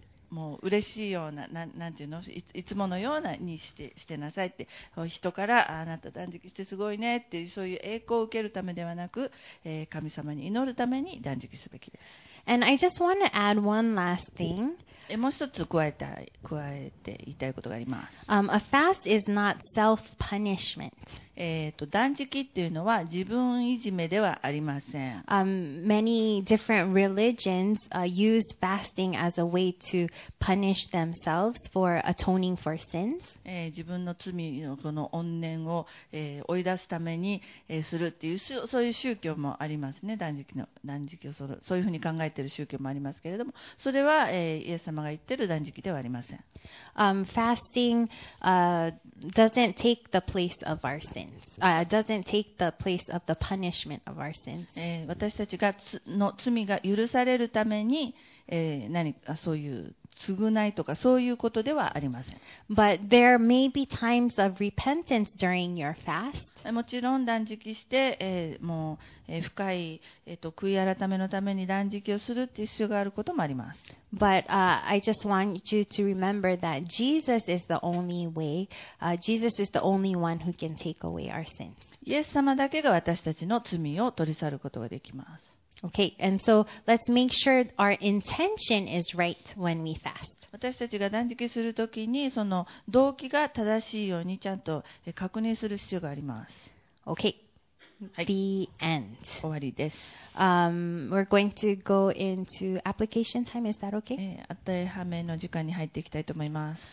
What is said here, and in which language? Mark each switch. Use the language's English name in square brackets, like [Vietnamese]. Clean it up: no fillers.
[Japanese] もう嬉しいよう なんていうの いつものようなにしてなさいって、人からあなた断食してすごいねっていう、そういう栄光を受けるためではなく、神様に祈るために断食すべきです。 [English] And I just want to add one last thing. [Japanese] もう一つ加えて言いたいことがあります。 [English] A fast is not self-punishment. [Japanese] 断食っていうのは自分いじめではありません。 [English] Many different religions use fasting as a way to punish themselves for atoning for sins. [Japanese] 自分の罪のこの怨念を、追い出すために、するっていう、そういう宗教もありますね。断食をそういうふうに考えている宗教もありますけれども、それは、イエス様が言っている断食ではありません。 [English] Fasting doesn't take the place of our sins. Doesn't take the place of the punishment of our sins. [Japanese] 私たちがの罪が許されるために、何かそういう償いとかそういうことではありません。 [English] But there may be times of repentance during your fast. [Japanese] もちろん断食して、もう、深い、悔い改めのために断食をするっていう必要があることもあります。 [English] But I just want you to remember that Jesus is the only way. Jesus is the only one who can take away our sins. [Japanese] イエス様だけが私たちの罪を取り去ることができます。 [English] Okay, and so let's make sure our intention is right when we fast. [Japanese] 私たちが断食するときに、その動機が正しいようにちゃんと確認する必要があります。 [English] Okay,、はい、the end. [Japanese] 終わりです。 [English] We're going to go into application time. Is that okay? [Japanese] 当てはめの時間に入っていきたいと思います。